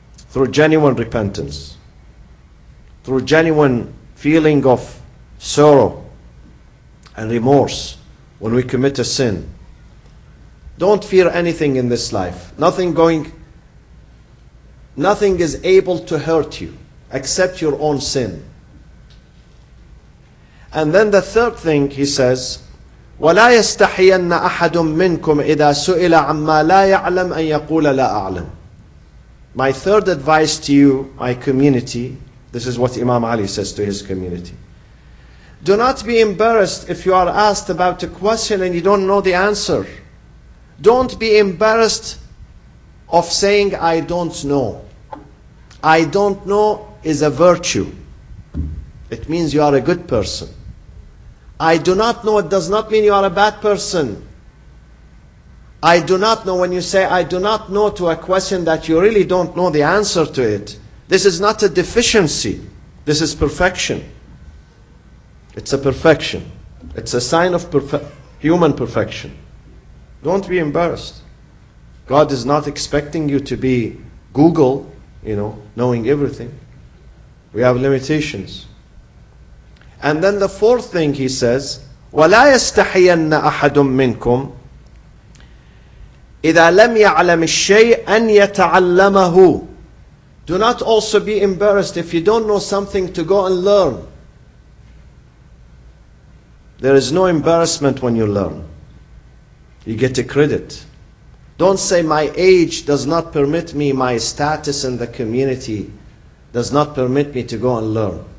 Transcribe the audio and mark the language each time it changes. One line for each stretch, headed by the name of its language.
English: Through genuine repentance. Through genuine feeling of sorrow and remorse when we commit a sin. Don't fear anything in this life. Nothing is able to hurt you except your own sin. And then the third thing he says,
Arabic: وَلَا يَسْتَحِيَنَّ أَحَدٌ مِّنْكُمْ إِذَا سُئِلَ عَمَّا لَا يَعْلَمْ أَن يَقُولَ لَا أَعْلَمْ.
English: My third advice to you, my community, this is what Imam Ali says to his community. Do not be embarrassed if you are asked about a question and you don't know the answer. Don't be embarrassed of saying, I don't know. I don't know is a virtue. It means you are a good person. I do not know, it does not mean you are a bad person. I do not know, when you say, I do not know to a question that you really don't know the answer to it. This is not a deficiency. This is perfection. It's a perfection. It's a sign of human perfection. Don't be embarrassed. God is not expecting you to be Google, you know, knowing everything. We have limitations. And then the fourth thing he says,
Arabic: وَلَا يَسْتَحِيَنَّ أَحَدٌ مِّنْكُمْ إِذَا لَمْ يَعْلَمِ الشَّيْءَ أَنْ يَتَعَلَّمَهُ.
English: Do not also be embarrassed if you don't know something to go and learn. There is no embarrassment when you learn. You get a credit. Don't say my age does not permit me, my status in the community does not permit me to go and learn.